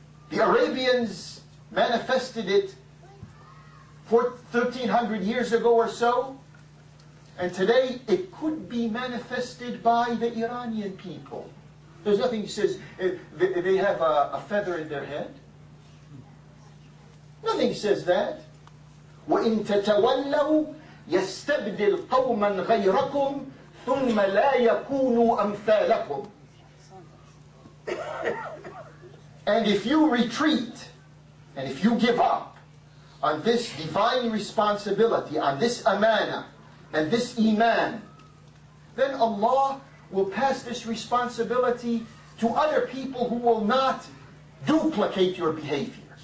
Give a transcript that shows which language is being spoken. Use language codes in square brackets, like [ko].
[en] The Arabians manifested it 1300 years ago or so, and today it could be manifested by the Iranian people. There's nothing that says they have a feather in their head. Nothing says that. [ar] وَإِن تَتَوَلَّوْا يَسْتَبْدِلْ قَوْمًا غَيْرَكُمْ ثم لا يكونوا أمثالكم. [en] And if you retreat, and if you give up on this divine responsibility, on this amana, and this iman, then Allah will pass this responsibility to other people who will not duplicate your behavior.